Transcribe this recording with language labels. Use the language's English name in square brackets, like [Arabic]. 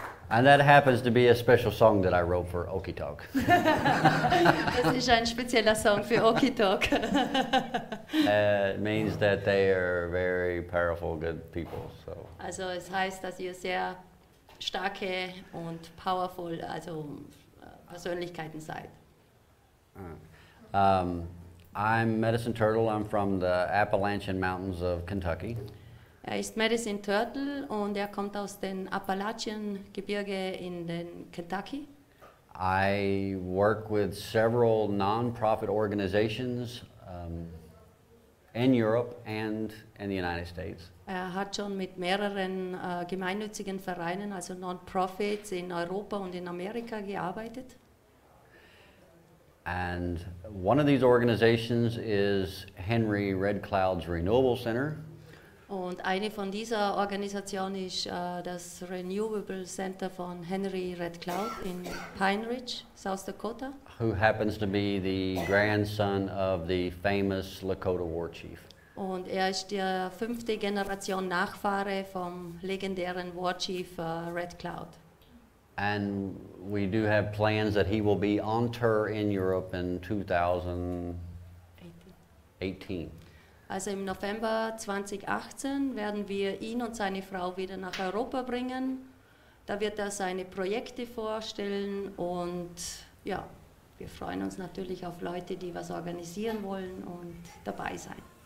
[English] And that happens to be a special song that I wrote for Okidok. [German] Das ist ein spezieller Song für Okidok. [English] It means that they are very powerful, good people. So. [German] Also, es heißt, dass ihr sehr starke und powerful, also Persönlichkeiten seid. [English] I'm Medicine Turtle. I'm from the Appalachian Mountains of Kentucky. [German] Er ist Medicine Turtle und er kommt aus den Appalachian Gebirge in den Kentucky. [English] I work with several non-profit organizations in Europe and in the United States. [German] Er hat schon mit mehreren gemeinnützigen Vereinen, also non-profits in Europa und in Amerika gearbeitet. [English] And one of these organizations is Henry Red Cloud's Renewable Center. [German] Und eine von dieser Organisation ist das Renewable Center von Henry Red Cloud in Pine Ridge, South Dakota. [English] Who happens to be the grandson of the famous Lakota War Chief. [German] Und er ist der fünfte Generation Nachfahre vom legendären War Chief Red Cloud. [English] And we do have plans that he will be on tour in Europe in 2018. 18. [German] Also im November 2018 werden wir ihn und seine Frau wieder nach Europa bringen. Da wird er seine Projekte vorstellen und ja, wir freuen uns natürlich auf Leute, die was organisieren wollen und dabei sein.